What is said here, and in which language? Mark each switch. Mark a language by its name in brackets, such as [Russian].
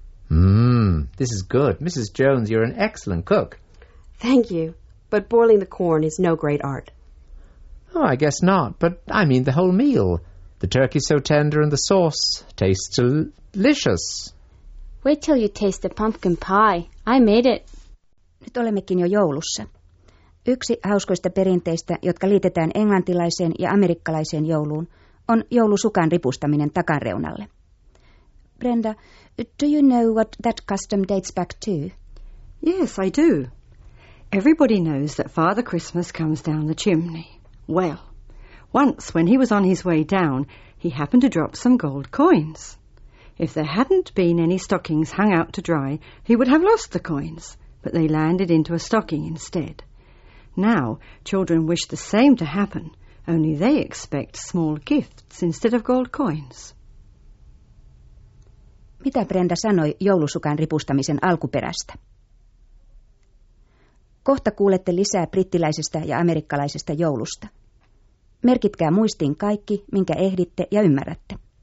[English] Mmm, this is good. Mrs. Jones, you're an excellent cook. Thank you, but boiling the corn is no great art. Oh, I guess not, but I mean the whole meal. The turkey's so tender and the sauce tastes delicious. Wait till you taste the pumpkin pie. I made it. [Finnish] Nyt olemmekin jo joulussa. Yksi hauskoista perinteistä, jotka liitetään englantilaiseen ja amerikkalaiseen jouluun, on joulusukan ripustaminen takanreunalle. [English] Brenda, do you know what that custom dates back to? Yes, I do. Everybody knows that Father Christmas comes down the chimney. Well, once when he was on his way down, he happened to drop some gold coins. If there hadn't been any stockings hung out to dry, he would have lost the coins, but they landed into a stocking instead. Now, children wish the same to happen, only they expect small gifts instead of gold coins. [Finnish] Mitä Brenda sanoi joulusukan ripustamisen alkuperästä? Kohta kuulette lisää brittiläisestä ja amerikkalaisesta joulusta. Merkitkää muistiin kaikki, minkä ehditte ja ymmärrätte.